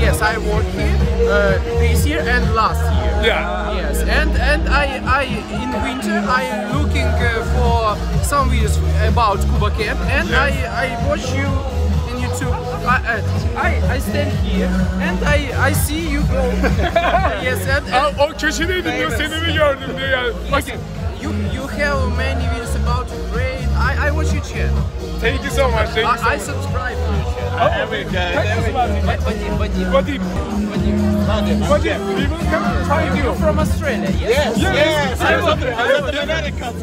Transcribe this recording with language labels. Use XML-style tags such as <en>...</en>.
<en>Yes, I work here this year and last year. Yeah. Yes. And I in winter I looking for some videos about Cuba Camp and yes. I watch you in YouTube. I stand here and I see you go. Yes.</en> <tr>O köşedeydin diyor, seni mi gördüm diyor yani.</tr> <en>Yes. You have many videos about Ukraine. I I watch your channel. Thank you so much. Thank you so much. I subscribe to your channel. Oh, there we go. Thank you so much. Vadim. We will come to find you. You're from Australia, yes? Yes. I love the Americans.</en>